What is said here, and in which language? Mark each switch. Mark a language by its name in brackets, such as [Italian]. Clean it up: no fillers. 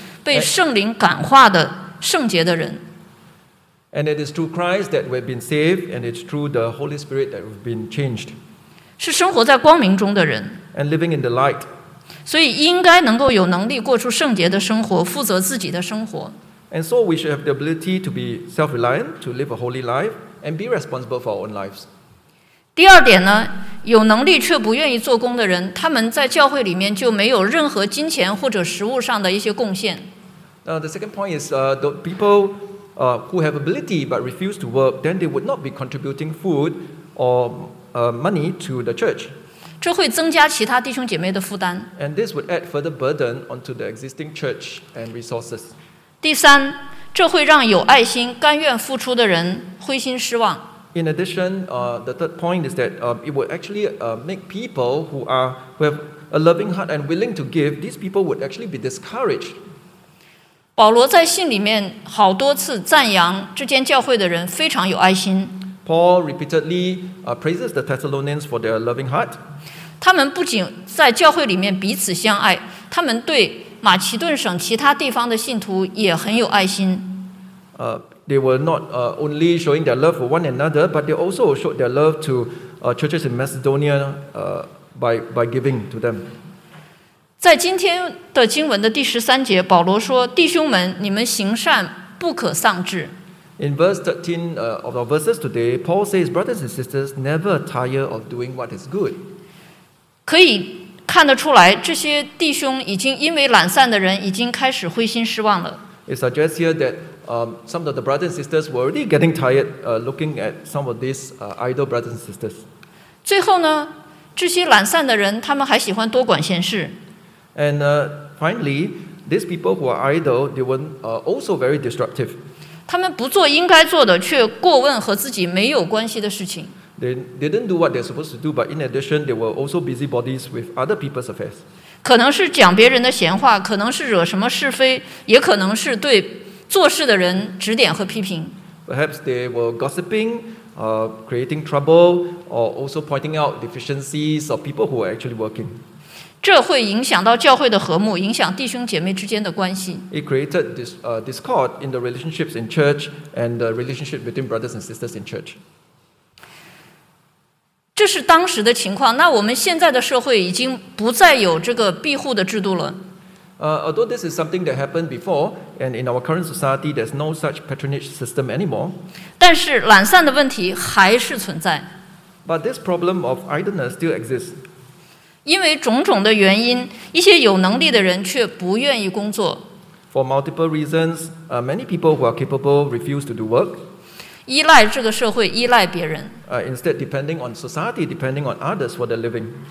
[Chinese] 是靠主耶稣基督被拯救，被圣灵感化的圣洁的人。 [English] And it is through Christ that we've been saved, and it's through the Holy Spirit that we've been changed. [Chinese] 是生活在光明中的人。 [English] And living in the light. [Chinese] 所以应该能够有能力过出圣洁的生活，负责自己的生活。 [English] And so we should have the ability to be self-reliant, to live a holy life, and be responsible for our own lives. [Chinese] 第二点呢，有能力却不愿意做工的人，他们在教会里面就没有任何金钱或者食物上的一些贡献。 [English] The second point is the people who have ability but refuse to work, then they would not be contributing food or money to the church. [Chinese] 这会增加其他弟兄姐妹的负担。 [English] And this would add further burden onto the existing church and resources. [Chinese] 第三，这会让有爱心、甘愿付出的人灰心失望。 [English] In addition, the third point is that it would actually make people who have a loving heart and willing to give, these people would actually be discouraged. [Chinese] 保罗在信里面好多次赞扬这间教会的人非常有爱心。 [English] Paul repeatedly praises the Thessalonians for their loving heart. [Chinese] 他们不仅在教会里面彼此相爱，他们对马其顿省其他地方的信徒也很有爱心。 [English] They were not only showing their love for one another, but they also showed their love to churches in Macedonia by giving to them. [Chinese] 在今天的经文的第十三节，保罗说：“弟兄们，你们行善不可丧志。” [English] In verse 13 of our verses today, Paul says, "Brothers and sisters, never tire of doing what is good." [Chinese] 可以看得出来，这些弟兄已经因为懒散的人已经开始灰心失望了。 [English] It suggests here that some of the brothers and sisters were already getting tired looking at some of these idle brothers and sisters. [Chinese] 最后呢，这些懒散的人，他们还喜欢多管闲事。 [English] And finally, these people who are idle, they were also very disruptive. [Chinese] 他们不做应该做的，却过问和自己没有关系的事情。 [English] They didn't do what they're supposed to do, but in addition, they were also busybodies with other people's affairs. [Chinese] 可能是讲别人的闲话，可能是惹什么是非，也可能是对做事的人指点和批评。 [English] Perhaps they were gossiping, creating trouble, or also pointing out deficiencies of people who were actually working. [Chinese] 这会影响到教会的和睦，影响弟兄姐妹之间的关系。 [English] It created this discord in the relationships in church and the relationship between brothers and sisters in church. [Chinese] 这是当时的情况。那我们现在的社会已经不再有这个庇护的制度了。 [English] Although this is something that happened before, and in our current society, there's no such patronage system anymore. [Chinese] 但是懒散的问题还是存在。 [English] But this problem of idleness still exists. [Chinese] 因为种种的原因，一些有能力的人却不愿意工作。 [English] For multiple reasons, many people who are capable refuse to do work. [Chinese] 依赖这个社会，依赖别人。 [English] Instead, depending on society, depending on others for their living.